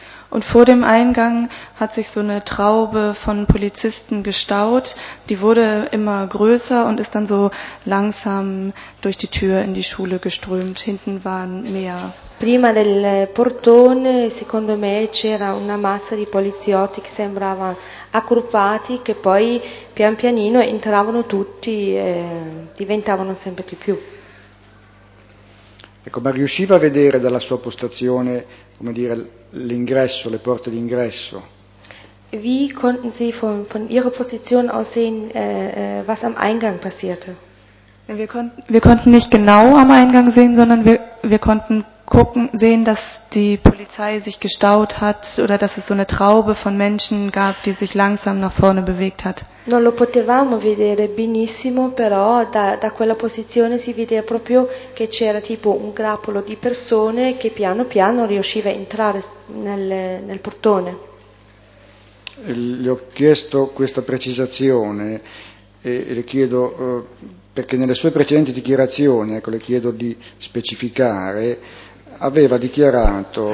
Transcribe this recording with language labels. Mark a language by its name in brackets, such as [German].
[German] Und vor dem Eingang hat sich so eine Traube von Polizisten gestaut, die wurde immer größer und ist dann so langsam durch die Tür in die Schule geströmt. Hinten waren mehr. [Italian] Prima del portone, secondo me, c'era una massa di poliziotti che sembrava aggruppati, che poi pian pianino entravano tutti e diventavano sempre di più. Ecco, ma riusciva a vedere dalla sua postazione, come dire, l'ingresso, le porte d'ingresso? [German] Wie konnten Sie von Ihrer Position aus sehen, was am Eingang passierte? Wir konnten nicht genau am Eingang sehen, sondern wir konnten gucken, sehen, dass die Polizei sich gestaut hat oder dass es so eine Traube von Menschen gab, die sich langsam nach vorne bewegt hat. [Italian] Non lo potevamo vedere benissimo, però da quella posizione si vedeva proprio che c'era tipo un grappolo di persone che piano piano riusciva a entrare nel portone. Le ho chiesto questa precisazione e le chiedo perché nelle sue precedenti dichiarazioni, ecco, le chiedo di specificare, aveva dichiarato...